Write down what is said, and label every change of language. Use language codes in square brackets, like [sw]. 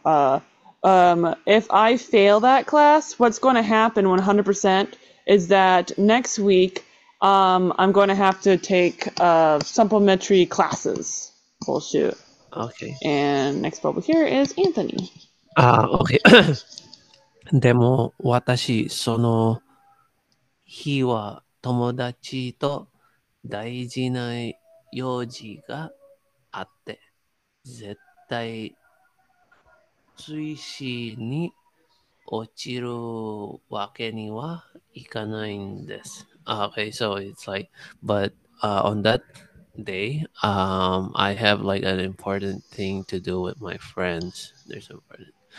[en] If I fail that class, what's going to happen 100% is that next week I'm going to have to take supplementary classes. Full shoot. Okay. And next bubble here is Anthony. Okay. [ja] でも私その日は友達と大事な用事があって絶対追試に落ちるわけにはいかないんです。 [en] Okay, so it's like, but on that day, I have like an important thing to do with my friends. There's important.